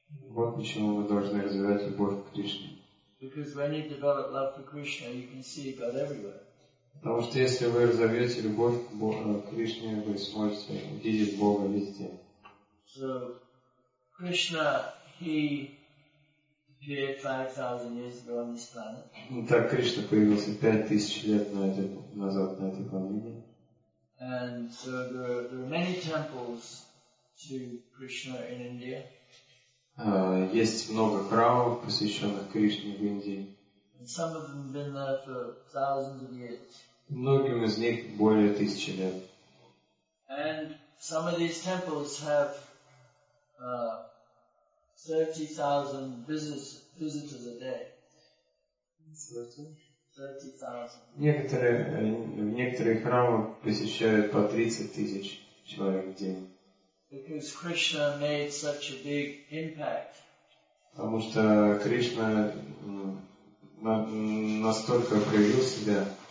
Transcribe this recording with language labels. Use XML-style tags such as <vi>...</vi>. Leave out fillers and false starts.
<ru>Вот почему мы должны развивать любовь к Кришне.</ru> <en>Because when you develop love for Krishna, you can see God everywhere.</en> <ru>Потому что если вы разовьете любовь к Кришне, вы сможете видеть Бога везде.</ru> <en>So Krishna, he appeared 5,000 years ago on this planet.</en> <ru>Итак, Кришна появился 5000 лет назад на этой планете.</ru> <en>And so there are many temples to Krishna in India.</en> <ru>Есть много храмов, посвященных Кришне в Индии.</ru> <en>And some of them have been there for thousands of years.</en> <ru>Многим из них более 1000 лет.</ru> <en>And some of these temples have 30,000 visitors a day. 30,000.</en> <ru>Некоторые храмы посещают по 30 тысяч человек в день.</ru> <en>Because Krishna made such a big impact.</en> <ru>Потому что Кришна настолько проявил себя,</ru>